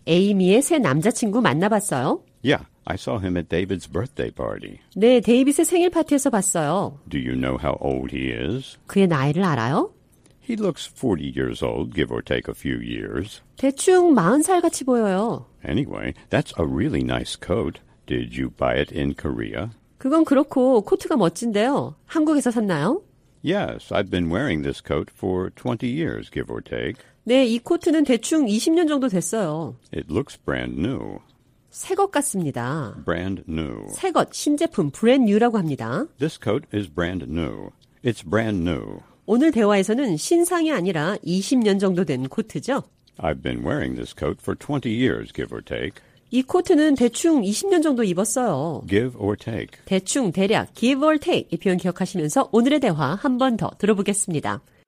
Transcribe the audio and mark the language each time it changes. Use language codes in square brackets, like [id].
[ko] 에이미의 새 남자친구 만나봤어요? [en] Yeah, I saw him at David's birthday party. [ko] 네, 데이빗의 생일 파티에서 봤어요. [en] Do you know how old he is? [ko] 그의 나이를 알아요? [en] He looks 40 years old, give or take a few years. [ko] 대충 40살 같이 보여요. [en] Anyway, that's a really nice coat. Did you buy it in Korea? [ko] 그건 그렇고 코트가 멋진데요. 한국에서 샀나요? [en] Yes, I've been wearing this coat for 20 years, give or take. [ko] 네, 이 코트는 대충 20년 정도 됐어요. [en] It looks brand new. [ko] 새 것 같습니다. [en] Brand new. [ko] 새 것, 신제품, [en] brand new [ko] 라고 합니다. [en] This coat is brand new. It's brand new. [ko] 오늘 대화에서는 신상이 아니라 20년 정도 된 코트죠. [en] I've been wearing this coat for 20 years, give or take. [ko] 이 코트는 대충 20년 정도 입었어요. [en] Give or take. [ko] 대충, 대략, [en] give or take [ko] 이 표현 기억하시면서 오늘의 대화 한 번 더 들어보겠습니다.